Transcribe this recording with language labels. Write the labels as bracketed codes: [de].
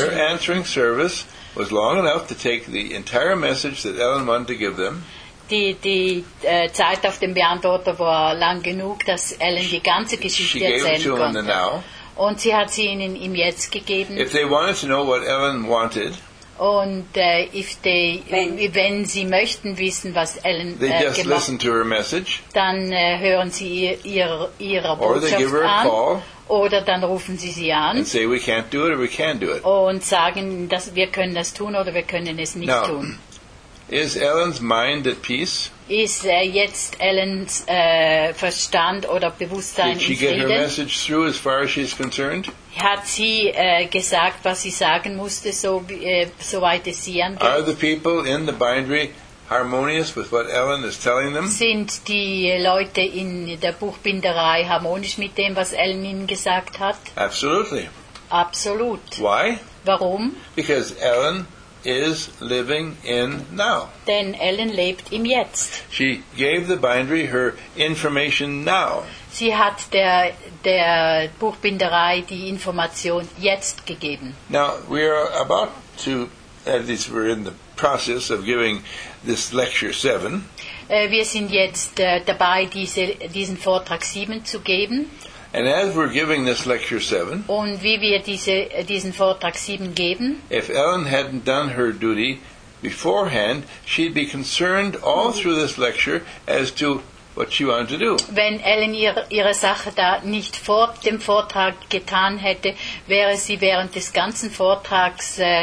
[en] Their answering service was long enough to take the entire message that Ellen wanted to give them. [de] Die Zeit auf dem Beantworter war lang genug, dass Ellen die ganze Geschichte erzählen konnte. Und sie hat sie ihnen im Jetzt gegeben. [en] If they wanted to know what Ellen wanted, [de] und wenn sie möchten wissen, was Ellen gemacht hat, dann hören sie ihre Botschaft an. Oder dann rufen sie sie an. [en] And say we can't do it or we can do it. [de] Und sagen, dass wir können das tun oder wir können es nicht tun. [en] Is Ellen's mind at peace? [de] Ist jetzt Ellens Verstand oder Bewusstsein in Frieden? [en] Did she get her message through as far as she's concerned? [de] Hat sie gesagt, was sie sagen musste, soweit es sie angeht? [en] Are the people in the bindery harmonious with what Ellen is telling them? [de] Sind die Leute in der Buchbinderei harmonisch mit dem, was Ellen ihnen gesagt hat? [en] Absolutely. [de] Absolut. [en] Why? [de] Warum? [en] Because Ellen is living in now. [de] Denn Ellen lebt im Jetzt. [en] She gave the bindery her information now. [de] Sie hat der Buchbinderei die Information jetzt gegeben. [en] Now we are about to, at least we're in the process of giving this lecture 7. [de] Wir sind jetzt dabei, diesen Vortrag 7 zu geben. [en] And as we're giving this lecture 7, [de] und wie wir diesen Vortrag 7 geben, [en] if Ellen hadn't done her duty beforehand, she'd be concerned all through this lecture as to what she wanted to do. [de] Wenn Ellen ihre Sache da nicht vor dem Vortrag getan hätte, wäre sie während des ganzen Vortrags